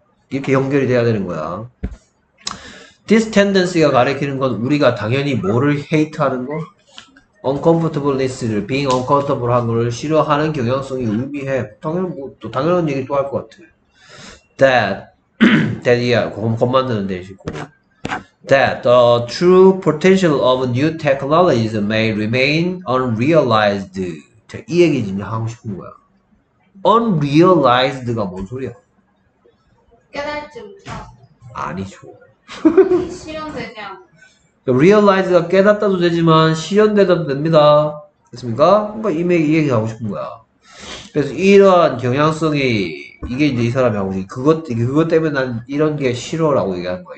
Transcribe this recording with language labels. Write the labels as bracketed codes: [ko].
[ko] 이렇게 연결이 돼야 되는 거야. [en] This tendency [ko] 가 가리키는 건 우리가 당연히 뭐를 [en] hate [ko] 하는 거? uncomfortableness를, [en] being uncomfortable [ko] 한 거를 싫어하는 경향성이 의미해. 당연히, 뭐, 또 당연한 얘기 또할것 같아. [en] That [ko] 이야. 그것만 드는 대신. [en] That the true potential of new technologies may remain unrealized. [ko] 자, 이 얘기 지금 하고 싶은 거야. Unrealized가 뭔 소리야? 깨닫지 못하고 아니죠. 실현되냐? realize가 깨닫다도 되지만 실현되다도 됩니다. 됐습니까? 그러니까 이미 이 얘기 하고 싶은 거야. 그래서 이러한 경향성이 이게 이제 이 사람이 하고 싶은 그것 그것 때문에 난 이런 게 싫어라고 얘기하는 거야.